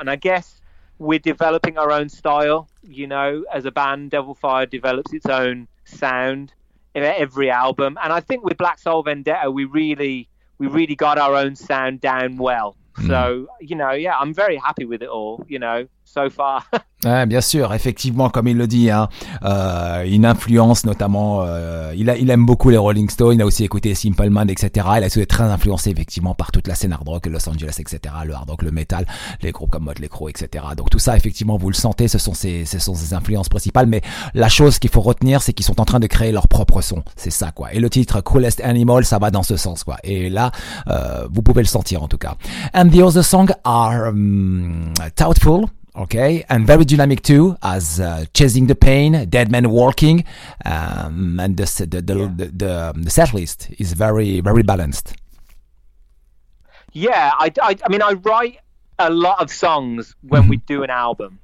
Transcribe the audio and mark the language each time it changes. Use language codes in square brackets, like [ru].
[en] And I guess we're developing our own style, you know, as a band. Devil Fire develops its own sound every album. And I think with Black Soul Vendetta, we really got our own sound down well. So, you know, yeah, I'm very happy with it all, you know, so far. [fr] Ouais, bien sûr, effectivement, comme il le dit, hein, une influence notamment, il aime beaucoup les Rolling Stones, il a aussi écouté Simple Mind, etc. Il a été très influencé effectivement par toute la scène hard rock, Los Angeles, etc., le hard rock, le metal, les groupes comme Motley Crue, etc. Donc tout ça, effectivement, vous le sentez, ce sont ses influences principales. Mais la chose qu'il faut retenir, c'est qu'ils sont en train de créer leur propre son, c'est ça quoi. Et le titre Coolest Animal, ça va dans ce sens quoi. Et là, vous pouvez le sentir en tout cas. [en] And the other songs are Doubtful. Okay, and very dynamic too, as Chasing the Pain, Dead Man Walking, and the set list is very, very balanced. Yeah, I mean, I write a lot of songs when we do an album.